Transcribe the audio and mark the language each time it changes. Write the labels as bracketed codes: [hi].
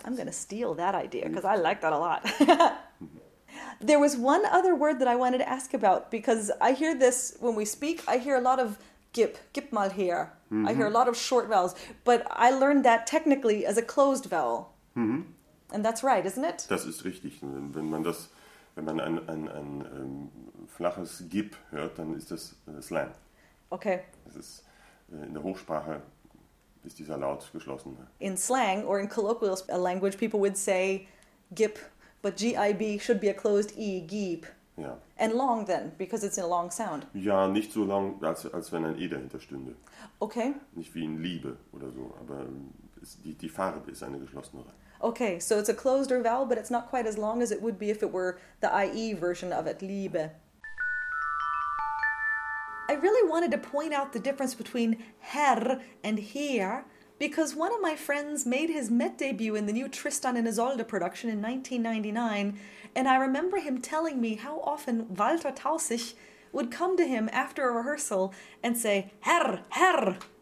[en] I'm going to steal that idea, because I like that a lot. There was one other word that I wanted to ask about, because I hear this when we speak. I hear a lot of [de] gib mal her. [en] Mm-hmm. I hear a lot of short vowels, but I learned that technically as a closed vowel. Mm-hmm. And that's right, isn't it? [de] Das ist richtig. Wenn man ein flaches gib hört, dann ist das Slang. [en] Okay. [de] Das ist in der Hochsprache ist dieser Laut geschlossen. [en] In slang or in colloquial language, people would say gib. But G-I-B should be a closed E, gib. [de] Ja. [en] And long then, because it's a long sound. [de] Ja, nicht so lang, als wenn ein E dahinter stünde. [en] Okay. [de] Nicht wie in Liebe oder so, aber die Farbe ist eine geschlossenere. [en] Okay, so it's a closed vowel, but it's not quite as long as it would be if it were the I-E version of it, Liebe. I really wanted to point out the difference between Herr and here. Because one of my friends made his Met debut in the new Tristan and Isolde production in 1999, and I remember him telling me how often Walter Tausig would come to him after a rehearsal and say, Herr, Herr!